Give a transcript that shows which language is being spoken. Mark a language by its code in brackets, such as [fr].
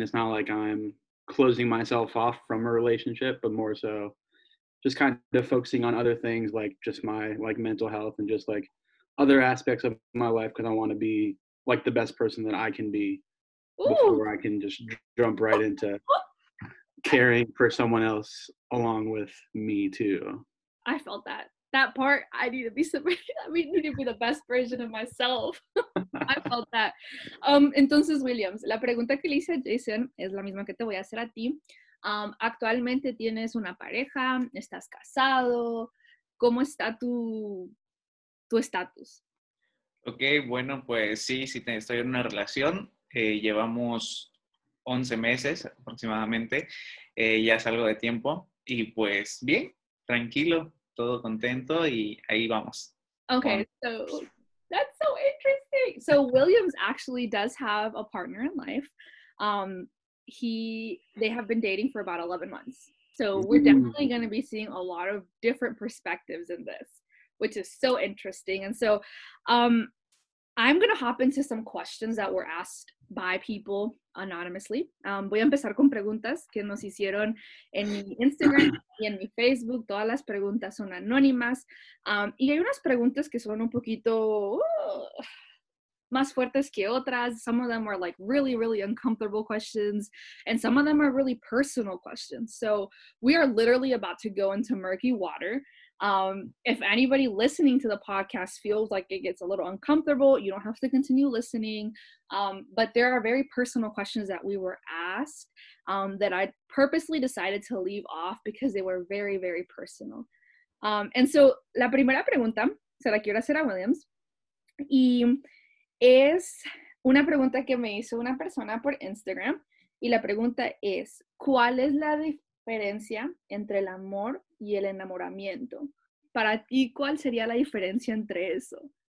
[en] It's not like I'm closing myself off from a relationship, but more so just kind of focusing on other things, like just my like mental health and just like other aspects of my life, because I want to be like the best person that I can be. Ooh. Before I can just jump right into caring for someone else along with me too. I felt that. That part, I need to be the best version of myself. I felt that. [es] Entonces, Williams, la pregunta que le hice a Jason es la misma que te voy a hacer a ti. Actualmente tienes una pareja, estás casado. ¿Cómo está tu estatus? Ok, bueno, pues sí, estoy en una relación. Llevamos 11 meses aproximadamente. Ya es algo de tiempo. Y pues bien, tranquilo. Todo contento y ahí vamos. [en] Okay, so that's so interesting. So Williams actually does have a partner in life. They have been dating for about 11 months. So we're definitely going to be seeing a lot of different perspectives in this, which is so interesting. And so I'm going to hop into some questions that were asked by people anonymously. [es] Voy a empezar con preguntas que nos hicieron en mi Instagram y en mi Facebook. Todas las preguntas son anónimas. Y hay unas preguntas que son un poquito más fuertes que otras. [en] Some of them are like really, really uncomfortable questions. And some of them are really personal questions. So we are literally about to go into murky water. If anybody listening to the podcast feels like it gets a little uncomfortable, you don't have to continue listening. But there are very personal questions that we were asked that I purposely decided to leave off because they were very, very personal. And so [es] la primera pregunta se la quiero hacer a Williams. Y es una pregunta que me hizo una persona por Instagram. Y la pregunta es, ¿cuál es la diferencia entre el amor y el enamoramiento? Para ti, ¿cuál sería la diferencia entre eso?